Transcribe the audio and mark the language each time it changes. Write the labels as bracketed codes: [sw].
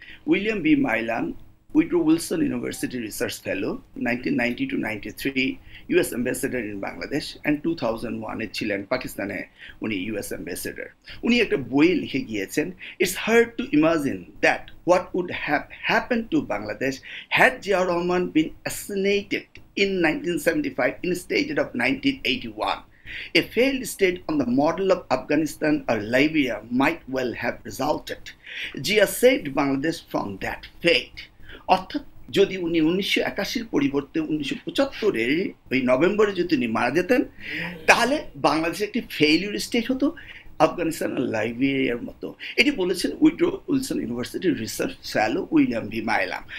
[en] William B Milam, Woodrow Wilson University research fellow, 1990-93 US ambassador in Bangladesh and 2001 [bn] ছিলেন পাকিস্তানে উনি [en] US ambassador. [bn] উনি একটা বই লিখে গিয়েছেন, [en] It's hard to imagine that what would have happen to Bangladesh had Ziaur Rahman been assassinated in 1975 instead of 1981। A failed state on the model of Afghanistan or Libya might well have resulted. Jia saved Bangladesh from that fate. [bn] অর্থাৎ যদি উনি 1981-এর পরিবর্তে 1975-এর ওই নভেম্বরে যদি উনি মারা যেতেন তাহলে বাংলাদেশ একটি ফেইলিওর স্টেট হতো আফগানিস্তান আর লাইব্রেরিয়ার মতো। এটি বলেছেন withdraw Wilson university research fellow William V Milam.